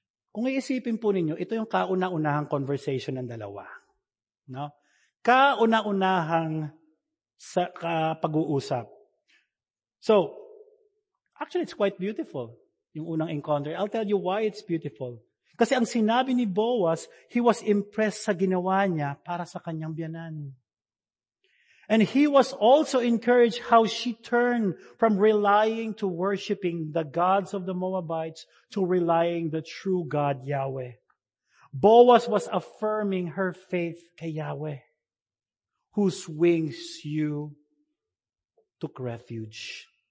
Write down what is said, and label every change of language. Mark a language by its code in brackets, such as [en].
[tl] Kung iisipin po ninyo, ito yung kauna-unahang conversation ng dalawa. No? Kauna-unahang sa pag-uusap. [en] So, actually it's quite beautiful, [tl] yung unang [en] encounter. I'll tell you why it's beautiful. [tl] Kasi ang sinabi ni Boaz, [en] he was impressed [tl] sa ginawa niya para sa kanyang biyanan. [en] And he was also encouraged how she turned from relying to worshiping the gods of the Moabites to relying the true God, Yahweh. Boaz was affirming her faith kay Yahweh, whose wings you took refuge.